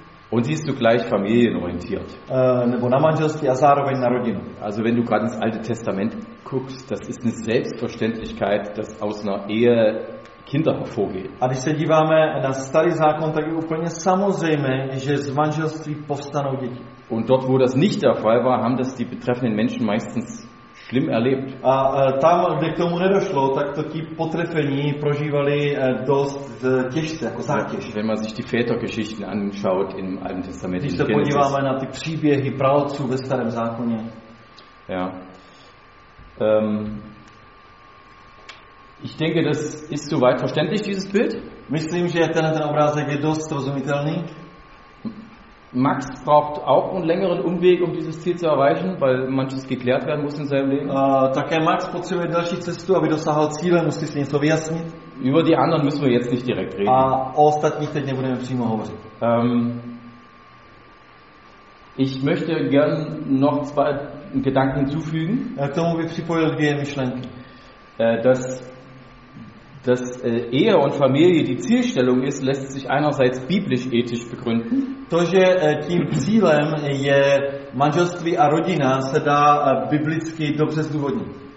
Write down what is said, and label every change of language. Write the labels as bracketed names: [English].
[German] Und siehst du gleich familienorientiert. [Czech] Nebo na manželství a zároveň na rodinu. [German] Also wenn du gerade ins Alte Testament guckst, das ist eine Selbstverständlichkeit, dass aus einer Ehe Kinder hervorgehen. [Czech] A když se díváme na starý zákon, tak je úplně samozřejmé, že z manželství povstanou děti. [German] Und dort, wo das nicht der Fall war, haben das die betreffenden Menschen meistens schlimm erlebt. [Czech] A tam, kde k tomu nedošlo, tak to ti potrefení prožívali dost těžce, jako zátěž. [German] Wenn man sich die Vätergeschichten anschaut im Alten Testament. [Czech] Když se podíváme na ty příběhy pravců ve starém zákoně. [German] Ja. Ich denke, das ist soweit verständlich, dieses Bild. [Czech] Myslím, že ten obrázek je dost rozumitelný. [German] Max braucht auch einen längeren Umweg, um dieses Ziel zu erreichen, weil manches geklärt werden muss in seinem Leben. [Czech] Také Max potřebuje další cestu, aby dosáhl cíle, musí si něco vyjasnit. [German] Über die anderen müssen wir jetzt nicht direkt reden. [Czech] A o ostatních teď nebudeme přímo hovořit. [German] Ich möchte gern noch zwei Gedanken hinzufügen. [Czech] K tomu bych připojil dvě myšlenky. [German] Dass Ehe und Familie die Zielstellung ist, lässt sich einerseits biblisch ethisch begründen. [Czech] To, že tím cílem je manželství a rodina, se dá biblicky dobře zdůvodnit.